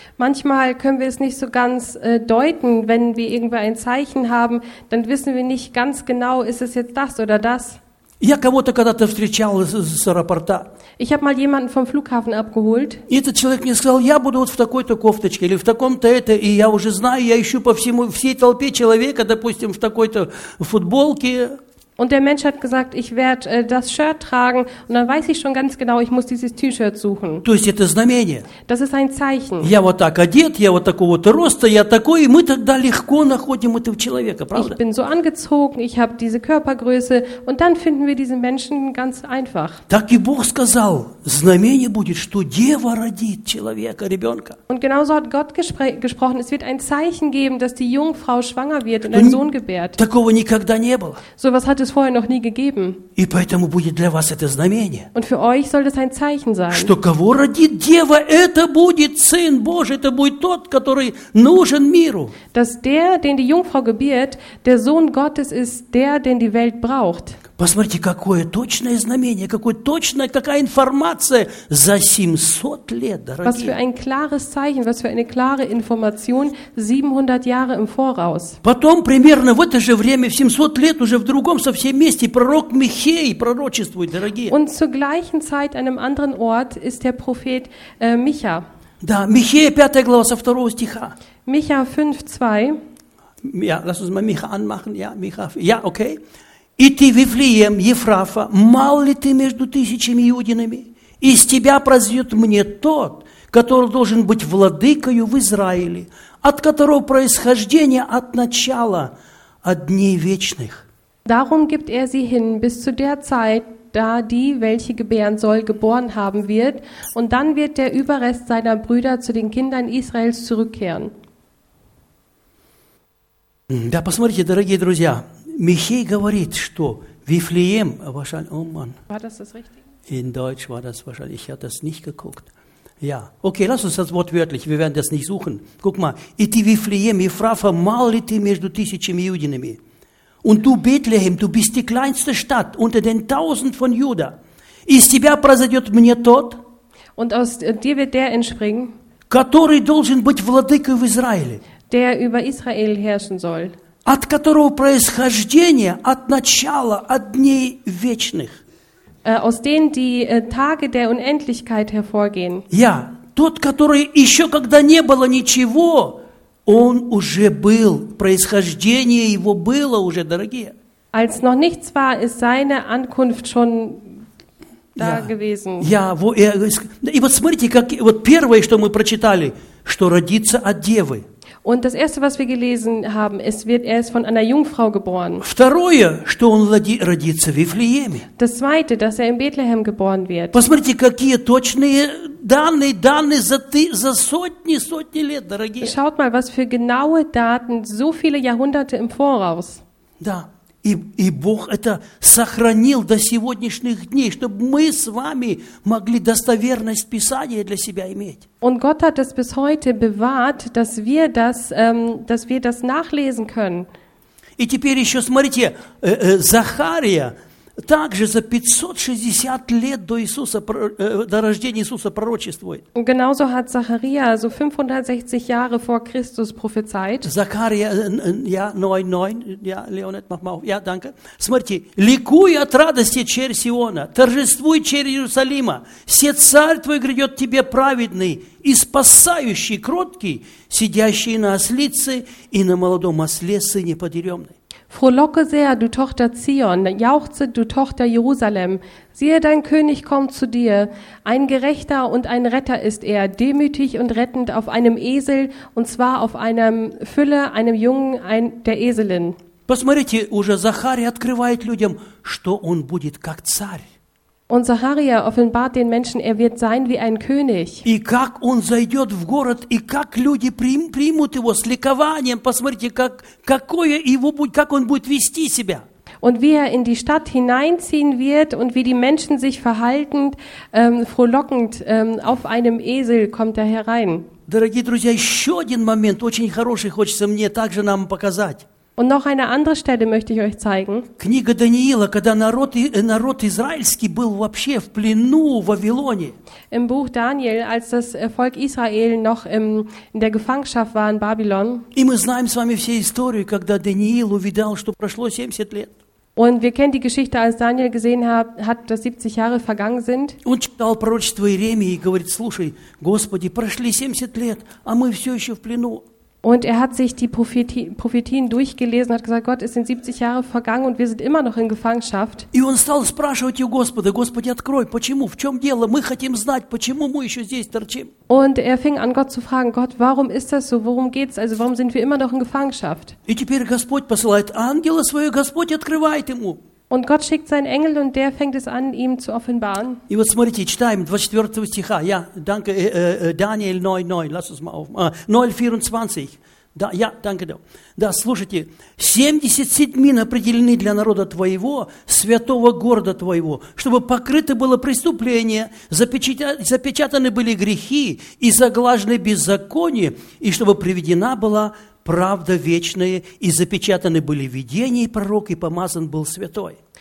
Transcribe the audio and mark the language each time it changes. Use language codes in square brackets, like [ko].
[de] Manchmal können wir es nicht so ganz deuten, wenn wir irgendwo ein Zeichen haben, dann wissen wir nicht ganz genau, ist es jetzt das oder das. [ru] Я кого-то когда-то встречал с аэропорта. [de] Ich habe mal jemanden vom Flughafen abgeholt. [ru] И этот человек мне сказал: "Я буду вот в такой-то кофточке или в таком-то это, и я уже знаю, я ищу по всему всей толпе человека, допустим, в такой-то футболке". [de] Und der Mensch hat gesagt, ich werde das Shirt tragen, und dann weiß ich schon ganz genau, ich muss dieses T-Shirt suchen. [ru] То есть это знамение. [de] Das ist ein Zeichen. [ru] Я вот так одет, я вот такого вот роста, я такой, и мы тогда легко находим этого человека, правда? [de] Ich bin so angezogen, ich habe diese Körpergröße, und dann finden wir diesen Menschen ganz einfach. [ru] Так и Бог сказал, знамение будет, что дева родит человека, ребенка. [de] Und genauso hat Gott gesprochen, es wird ein Zeichen geben, dass die Jungfrau schwanger wird und einen Sohn gebärt. [ru] Такого никогда не было. [de] So was hat es vorher noch nie gegeben. [ru] И поэтому будет для вас это знамение. [de] Und für euch soll das ein Zeichen sein. [ru] Что кого родит дева, это будет Сын Божий, это будет тот, который нужен миру. [de] Dass der, den die Jungfrau gebiert, der Sohn Gottes ist, der, den die Welt braucht. [ru] Посмотрите, какое точное знамение, какое точное, какая информация за 700 лет, дорогие. [de] Was für ein klares Zeichen, was für eine klare Information 700 Jahre im Voraus. [ru] Потом примерно в это же время, в 700 лет уже в другом совсем месте пророк Михей пророчествует, дорогие. [de] Und zur gleichen Zeit, einem anderen Ort, ist der Prophet Micha. [ru] Да, Михея 5 глава со 2 стиха. [de] Micha 5:2. Ja, lass uns mal Micha anmachen. Ja, Micha. Ja, okay. [ru] И ты, Вифлеем, Ефрафа, мал ли ты между тысячами иудинами? Из тебя произойдет мне тот, который должен быть владыкою в Израиле, от которого происхождение от начала, от дней вечных. [de] Darum gibt er sie hin, bis zu der Zeit, da die, welche gebären soll, geboren haben wird, und dann wird der Überrest seiner Brüder zu den Kindern Israels zurückkehren. [ru] Да, посмотрите, дорогие друзья, Михей говорит, что Вифлеем, [de] wahrscheinlich, oh man. War das das Richtige? In Deutsch war das wahrscheinlich, ich hatte das nicht geguckt. Ja, okay, lass uns das Wort wörtlich, wir werden das nicht suchen. Guck mal, [ru] и ты, Вифлеем, Ефрафа, мал ли ты между тысячами иудинами? [de] Und du, Bethlehem, du bist die kleinste Stadt unter den tausend von Juda. [ru] Из тебя произойдет мне тот, [de] und aus dir wird der entspringen, [ru] который должен быть владыкой в Израиле, [de] der über Israel herrschen soll, [ru] от которого происхождение, от начала, от дней вечных. [de] Aus denen die Tage der Unendlichkeit hervorgehen. [ru] Ja, тот, который еще когда не было ничего, он уже был, происхождение его было уже, дорогие. [de] Als noch nichts war, ist seine Ankunft schon da gewesen. Ja, wo [ru] и вот смотрите, как, вот первое, что мы прочитали, что родится от девы. [de] Und das Erste, was wir gelesen haben, es wird, er ist von einer Jungfrau geboren. [ru] Второе, что он родится в Вифлееме. [de] Das Zweite, dass er in Bethlehem geboren wird. [ru] Посмотрите, какие точные данные за сотни лет, дорогие. [de] Schaut mal, was für genaue Daten, so viele Jahrhunderte im Voraus. [ru] Да, и Бог это сохранил до сегодняшних дней, чтобы мы с вами могли достоверность Писания для себя иметь. [de] Und Gott hat es bis heute bewahrt, dass wir das nachlesen können. [ru] И теперь еще смотрите, Захария, также за 560 лет до Иисуса, до рождения Иисуса пророчествует. [de] Genauso hat Zacharia, also 560 Jahre vor Christus prophezeit. Zacharia, ja, 9, ja, Leonet, mach mal auf. Ja, danke. [ru] Смотри, ликуй от радости, черь Сиона, торжествуй, черь Иерусалима, все царь твой грядет тебе праведный и спасающий, кроткий, сидящий на ослице и на молодом осле сыне подъеремной. [de] Frohlocke sehr, du Tochter Zion, jauchze, du Tochter Jerusalem. Siehe, dein König kommt zu dir. Ein Gerechter und ein Retter ist er, demütig und rettend auf einem Esel, und zwar auf einem Fülle, einem Jungen, ein, der Eselin. [ru] Посмотрите, уже Захарий открывает людям, что он будет как царь. [de] Und Zacharia offenbart den Menschen, er wird sein wie ein König. [ru] И как он зайдет в город, и как люди примут его с ликованием. Посмотрите, как, какое его будет, как он будет вести себя. [de] Und wie er in die Stadt hineinziehen wird und wie die Menschen sich verhalten, frohlockend, auf einem Esel kommt er herein. [ru] Дорогие друзья, еще один момент, очень хороший, хочется мне также нам показать. [de] Und noch eine andere Stelle möchte ich euch zeigen. [ru] Книга Даниила, когда народ израильский был вообще в плену в Вавилоне. [de] Im Buch Daniel, als das Volk Israel noch in der Gefangenschaft war in Babylon. [ru] И мы знаем с вами всю историю, когда Даниил увидел, что прошло 70 лет. [de] Und wir kennen die Geschichte, als Daniel gesehen hat, dass 70 Jahre vergangen sind. [ru] Он читал пророчество Иеремии и говорит: "Слушай, Господи, прошли 70 лет, а мы все еще в плену." [de] Und er hat sich die Prophetien durchgelesen und hat gesagt, Gott, es sind 70 Jahre vergangen und wir sind immer noch in Gefangenschaft. [ru] И он стал спрашивать у Господа: Господи, открой, почему, в чем дело, мы хотим знать, почему мы еще здесь торчим. [de] Und er fing an, Gott zu fragen, Gott, warum ist das so, worum geht's, also warum sind wir immer noch in Gefangenschaft? [ru] И теперь Господь посылает ангела своего, Господь открывает ему. [de] Und Gott schickt seinen Engel und der fängt es an, ihm zu offenbaren. [ru] И вот смотрите, читаем 24 стиха. [de] Ja, danke, Daniel 9, lass uns mal auf. [ru] 0,24. Да, [de] ja, danke. [ru] Да, слушайте. 70 седмин определены для народа твоего, святого города твоего, чтобы покрыто было преступление, запечатаны были грехи и заглажены беззаконие, и чтобы приведена была правда вечная, и запечатаны были видения и пророк, и помазан был святой.